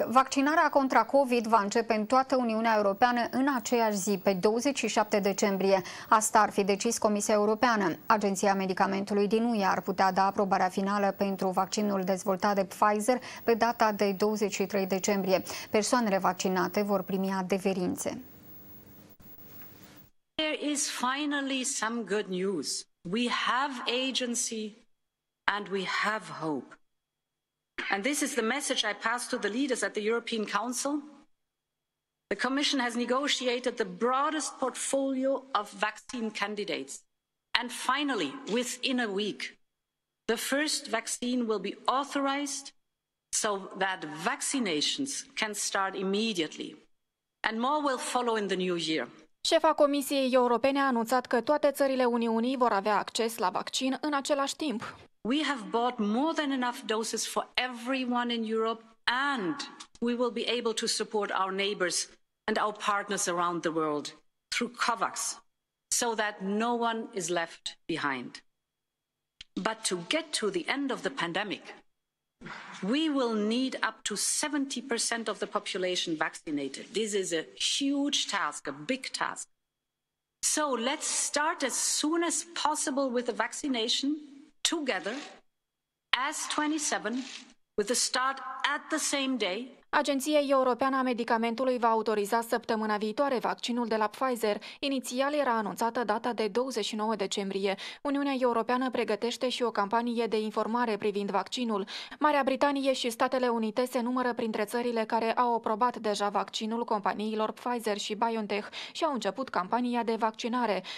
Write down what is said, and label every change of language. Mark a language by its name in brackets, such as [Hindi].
[Romanian] Vaccinarea contra COVID va începe în toată Uniunea Europeană în aceeași zi, pe 27 decembrie. Asta ar fi decis Comisia Europeană. Agenția Medicamentului din UE ar putea da aprobarea finală pentru vaccinul dezvoltat de Pfizer pe data de 23 decembrie. Persoanele vaccinate vor primi adeverințe. [English] There is finally some good news. We have agency and we have hope. And this is the message I pass to the leaders at the European Council. The Commission has negotiated the broadest portfolio of vaccine candidates. And finally, within a week, the first vaccine will be authorized so that vaccinations can start immediately. And more will follow in the new year. [Romanian] Șefa Comisiei Europene a anunțat că toate țările Uniunii vor avea acces la vaccin în același timp. [English] We have bought more than enough doses for everyone in Europe and we will be able to support our neighbors and our partners around the world through COVAX so that no one is left behind. But to get to the end of the pandemic, we will need up to 70% of the population vaccinated. This is a huge task, a big task. So let's start as soon as possible with the vaccination together as 27 with the start at the same day. [Romanian] Agenția Europeană a Medicamentului va autoriza săptămâna viitoare vaccinul de la Pfizer. Inițial era anunțată data de 29 decembrie. Uniunea Europeană pregătește și o campanie de informare privind vaccinul. Marea Britanie și Statele Unite se numără printre țările care au aprobat deja vaccinul companiilor Pfizer și BioNTech și au început campania de vaccinare.